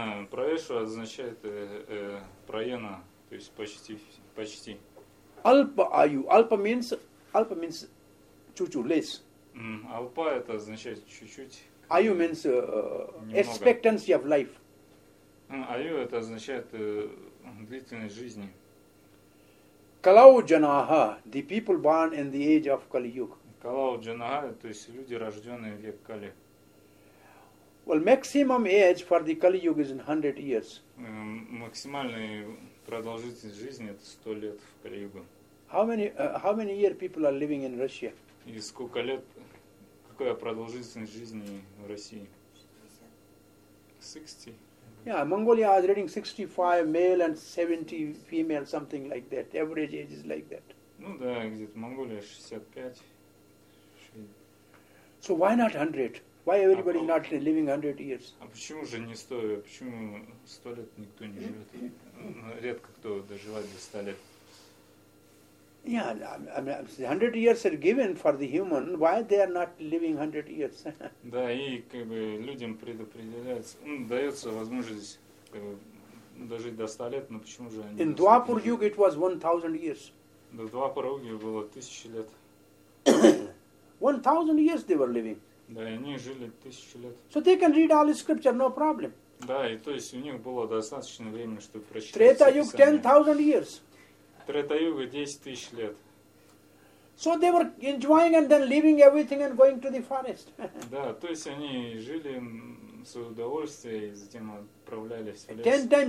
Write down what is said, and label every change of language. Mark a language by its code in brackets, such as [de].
[ru] Праешу означает праена, то есть почти, почти. [sa] Alpa ayu. [en] Alpa means [ru] чуть-чуть, [en] less. [ru] Alpa это означает чуть-чуть. [en] Ayu means expectancy of life. [ru] Ayu это означает длительность жизни. [en] Kalau janaha, the people born in the age of Kali Yuga. [ru] Kalau janaha, то есть люди, рожденные в век Кали. [en] Well, maximum age for the Kali Yuga is 100 years. [ru] Максимальная продолжительность жизни это 100 лет в Кали Юге. [en] How many year people are living in Russia? [ru] И сколько лет, какая продолжительность жизни в России? 60. [en] Yeah, Mongolia is reading 65 male and 70 female, something like that. The average age is like that. [ru] Ну да, где-то Монголия 65. [en] So why not 100? Why everybody not living 100 years? [ru] А почему же не 100? Почему 100 лет никто не живет? Редко кто доживает до 100 лет. [en] Yeah, I mean, 100 years are given for the human. Why they are not living 100 years? [ru] Да, и как бы людям предопределяется, дается возможность как бы, дожить до 100 лет, но почему же они... [en] In Dwapar Yuga it was 1000 years. [ru] Да, Dwapar Yuga было 1000 лет. [en] 1000 years they were living. [ru] Да, и они жили тысячу лет. [en] So they can read all the scripture, no problem. [ru] Да, и то есть у них было достаточно времени, чтобы прочитать. [en] Трета-юг 10,000 years. [ru] Трета-юга 10,000 лет. [en] So they were enjoying and then leaving everything and going to the forest. [ru] Да, то есть они жили с удовольствием и затем отправлялись в лес.